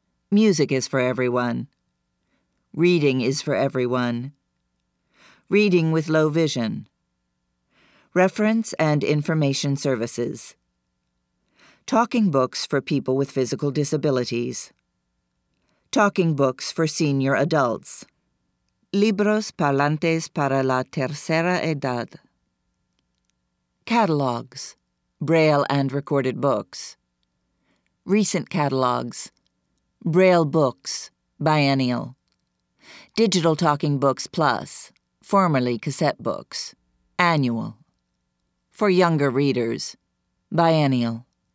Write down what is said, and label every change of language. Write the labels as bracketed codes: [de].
[en] Music is for everyone. Reading is for everyone. Reading with low vision. Reference and information services. Talking books for people with physical disabilities. Talking books for senior adults. [es] Libros parlantes para la tercera edad. [en] Catalogs. Braille and recorded books. Recent catalogs. Braille books. Biennial. Digital Talking Books Plus. Formerly cassette books. Annual. For younger readers. Biennial.